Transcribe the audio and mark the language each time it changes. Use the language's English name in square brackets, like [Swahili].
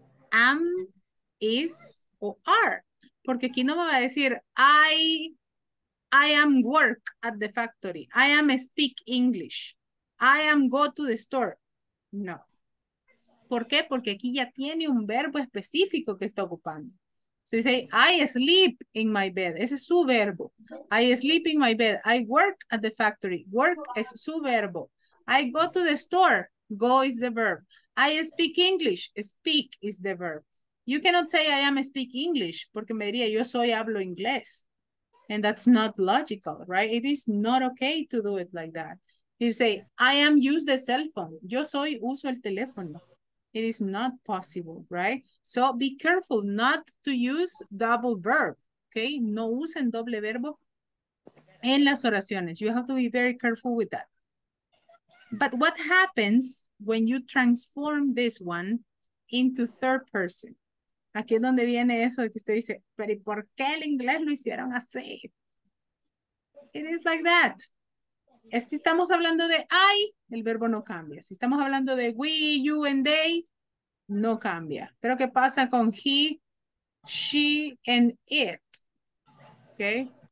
[English] Am, is, o are. Porque aquí no me va a decir, I am work at the factory. I am speak English. I am go to the store. No. ¿Por qué? [Spanish] Porque aquí ya tiene un verbo específico que está ocupando. [English] So you say, I sleep in my bed. Ese es su verbo. I sleep in my bed. I work at the factory. Work es su verbo. I go to the store. Go is the verb. I speak English. Speak is the verb. You cannot say I am speak English porque me diría yo soy hablo inglés. And that's not logical, right? It is not okay to do it like that. You say I am use the cell phone. [Spanish] Yo soy uso el teléfono. It is not possible, right? [English] So be careful not to use double verb, okay? [Spanish] No usen doble verbo en las oraciones. [English] You have to be very careful with that. But what happens when you transform this one into third person? [Spanish] Aquí es donde viene eso de que usted dice, pero ¿y por qué el inglés lo hicieron así? It is like that. Si estamos hablando de I, el verbo no cambia. Si estamos hablando de we, you, and they, no cambia. Pero ¿qué pasa con he, she, and it? Okay.